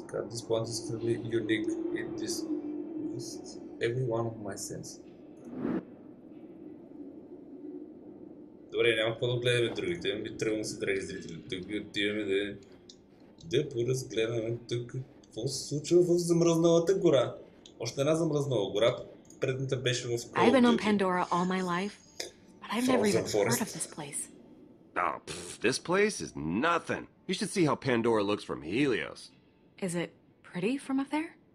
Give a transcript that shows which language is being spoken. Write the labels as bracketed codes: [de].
[en] This plant is truly unique in this list. Every one of my sense. [bg] Добре, няма какво да гледаме другите. Ми тръгваме се, драги зрители. Тук ми отиваме да поразгледаме тук какво се случва в замръзналата гора. Още една замръзнала гора. Предната беше в Кол. [en] I've been on Pandora all my life, but I've never even heard of this place. Oh, this place is nothing. You should see how Pandora looks from Helios. Is it pretty from up there?